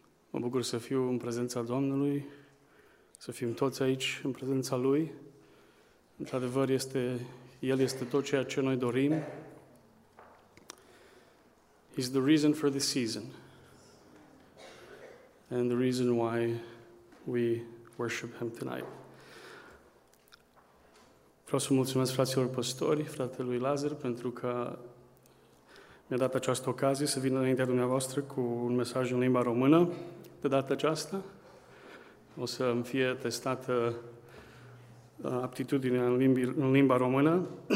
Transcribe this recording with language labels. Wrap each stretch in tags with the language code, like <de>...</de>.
<ro>Mă bucur să fiu în prezența Domnului, să fim toți aici în prezența Lui. Într-adevăr, El este tot ceea ce noi dorim.</ro> <en>He's the reason for the season. And the reason why we worship Him tonight.</en> <ro>Vreau să mulțumesc fraților păstori, fratelui Lazar, pentru că mi-a dat această ocazie să vin înaintea dumneavoastră cu un mesaj în limba română. De data aceasta o să îmi fie testată aptitudinea în limba română.</ro>